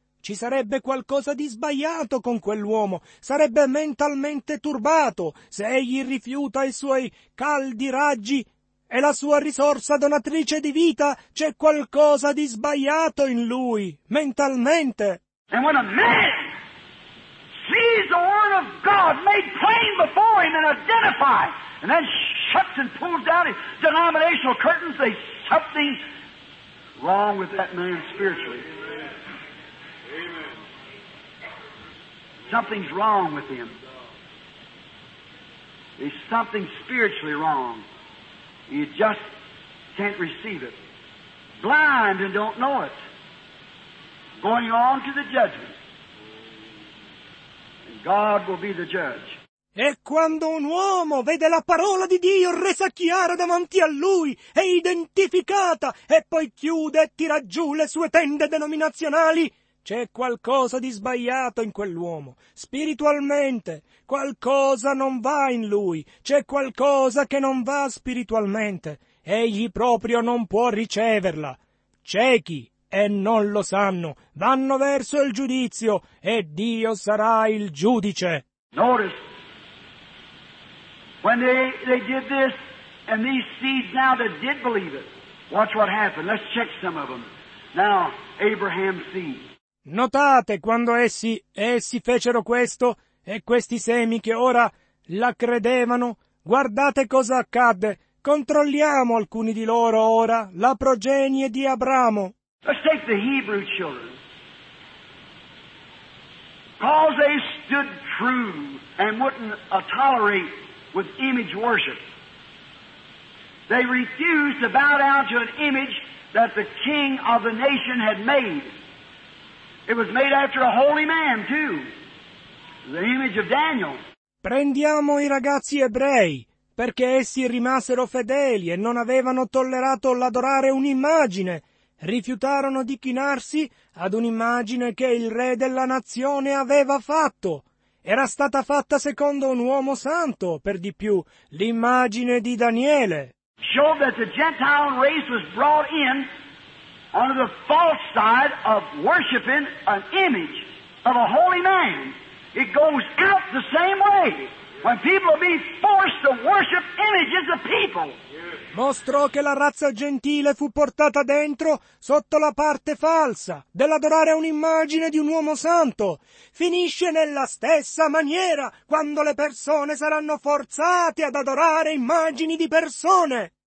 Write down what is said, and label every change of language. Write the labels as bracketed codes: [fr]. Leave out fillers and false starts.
[it] Ci sarebbe qualcosa di sbagliato con quell'uomo, sarebbe mentalmente turbato se egli rifiuta i suoi caldi raggi e la sua risorsa donatrice di vita, c'è qualcosa di sbagliato in lui, mentalmente. [en] And when a man sees the word of God made plain before him and identifies, and then shuts and pulls down his denominational curtains, there's something wrong with that man spiritually. Something's wrong with him. There's something spiritually wrong. You just can't receive it. Blind and don't know it. Going on to the judgment. And God will be the judge. [it] E quando un uomo vede la parola di Dio resa chiara davanti a lui e identificata e poi chiude e tira giù le sue tende denominazionali, c'è qualcosa di sbagliato in quell'uomo, spiritualmente. Qualcosa non va in lui, c'è qualcosa che non va spiritualmente. Egli proprio non può riceverla. Ciechi, e non lo sanno, vanno verso il giudizio, e Dio sarà il giudice. [en] Notice, when they did this, and these seeds now that did believe it, watch what happened, let's check some of them. Now, Abraham's seed. [it] Notate, quando essi fecero questo, E questi semi che ora la credevano, guardate cosa accadde. Controlliamo alcuni di loro ora, la progenie di Abramo. [en] Let's take the Hebrew children. Because they stood true and wouldn't tolerate with image worship. They refused to bow down to an image that the king of the nation had made. It was made after a holy man too. The image of Daniel. [it] Prendiamo i ragazzi ebrei, perché essi rimasero fedeli e non avevano tollerato l'adorare un'immagine. Rifiutarono di chinarsi ad un'immagine che il re della nazione aveva fatto. Era stata fatta secondo un uomo santo, per di più, l'immagine di Daniele. [en] Showed that the Gentile race was brought in on the false side of worshiping an image of a holy man. It goes out the same way when people are being forced to worship images of people. [it] Mostrò che la razza gentile fu portata dentro sotto la parte falsa dell'adorare un'immagine di un uomo santo. Finisce nella stessa maniera quando le persone saranno forzate ad adorare immagini di persone.